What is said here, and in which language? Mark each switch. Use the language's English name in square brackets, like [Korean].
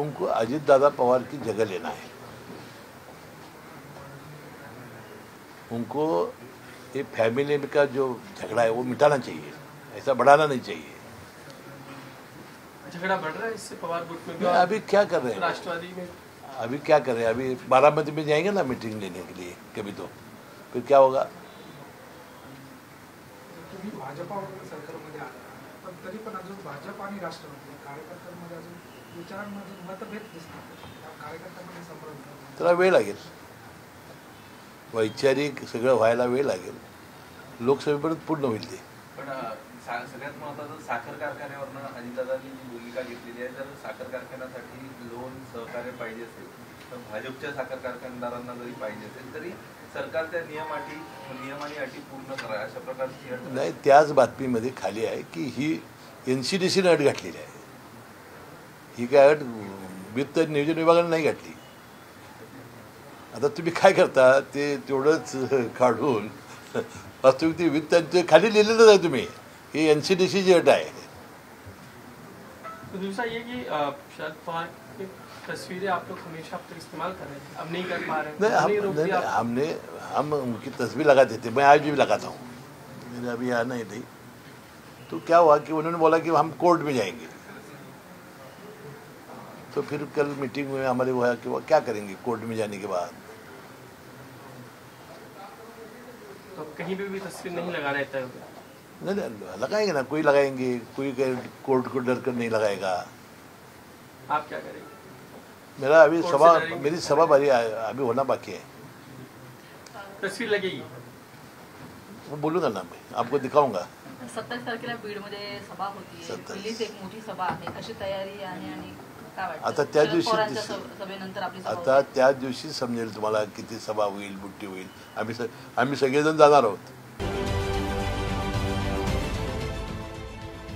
[Hindi] उनको अजीत दादा पवार की जगह लेना है, उनको ये फैमिली का जो झगड़ा है वो मिटाना चाहिए, ऐसा बढ़ाना नहीं चाहिए. झगड़ा बढ़ रहा है इससे पवार गुट में? नहीं, अभी क्या कर रहे हैं राष्ट्रवादी में? अभी क्या कर रहे हैं, अभी 12 मई में जाएंगे ना मीटिंग लेने के लिए कभी, तो फिर क्या होगा? [Marathi] भाजपा सरकारमध्ये आला पण तरी पण अजून भाजप आणि राष्ट्रवादी कार्यकर्त्यांमध्ये अजून विचारांमध्ये मतभेद दिसतात, कार्यकर्त्यांमध्ये संभ्रम, त्याला वेळ लागेल, वैचारिक सगळं व्हायला वेळ लागेल, लोकसभेपर्यंत पूर्ण होईल ते. पण सगळ्यात महत्त्वाचं साखर कारखान्यावर अजितदादांनी जी भूमिका घेतलेली आहे, जर साखर कारखान्यासाठी लोन सहकार्य पाहिजे असेल तर भाजपच्या साखर कारखानदारांना जरी पाहिजे असेल तरी सरकार त्या नियमाने अटी पूर्ण कराव्या, अशा प्रकारची अट नाही. त्याच बातमीमध्ये खाली आहे की ही NCDCने अट घातलेली आहे, ही काय अट वित्त नियोजन विभागाने नाही घातली. आता तुम्ही काय करता ते तेवढंच काढून वास्तविक ते वित्त खाली लिहिलेलंच आहे, तुम्ही [Hindi] ये एनसीडीसी जी अड्डा है। दूसरा ये कि शरद पवार की तस्वीरें आप लोग हमेशा अब तक इस्तेमाल कर रहे थे, अब नहीं कर पा रहे। नहीं, हम उनकी तस्वीर लगाते थे, मैं आज भी लगाता हूँ, मेरे अभी यहाँ नहीं थी। तो क्या हुआ कि उन्होंने बोला कि हम कोर्ट में जाएंगे, तो फिर कल मीटिंग में हमारे वो है कि वो क्या करेंगे कोर्ट में जाने के बाद, तो कहीं भी तस्वीर नहीं लगा रहे थे। नहीं, नहीं लगाएंगे ना, कोई लगाएंगे, कोई कोर्ट को डर कर नहीं लगाएगा। आप क्या करेंगे? मेरा अभी सभा, मेरी सभा भरी अभी होना बाकी है। तस्वीर लगेगी? मैं बोलूंगा ना, मैं आपको दिखाऊंगा। [Marathi] 27 तारखेला बीड मध्ये [Hindi] सभा होती है, [Marathi] दिल्लीत एक मोठी सभा आहे, कशी तयारी आहे आणि आता त्या दिवशी आता त्या दिवशी समजेल तुम्हाला किती सभा होईल, बुट्टी होईल। आम्ही सगळेजण जाणार आहोत।